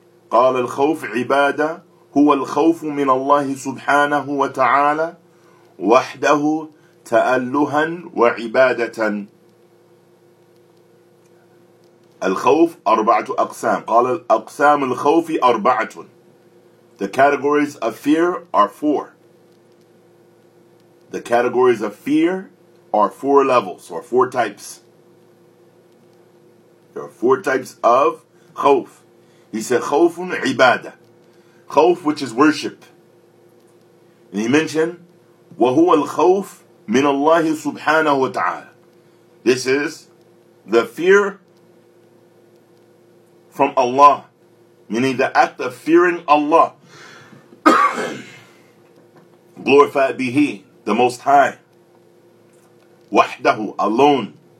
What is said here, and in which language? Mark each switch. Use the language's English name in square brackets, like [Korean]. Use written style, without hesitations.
[Arabic] قال الخوف عبادة هو الخوف من الله سبحانه وتعالى وحده تألها وعبادة. الخوف أربعة أقسام. قال الأقسام الخوف أربعة. [English] The categories of fear are four. The categories of fear are four levels or four types. There are four types of khawf. He said khawfun ibadah. Khawf, which is worship. And he mentioned, [Arabic] وَهُوَ الْخَوْفُ مِنَ اللَّهِ سُبْحَانَهُ وَتَعَالَى. [English] This is the fear from Allah, meaning the act of fearing Allah. Glorified be He, the Most High. وَحْدَهُ, alone.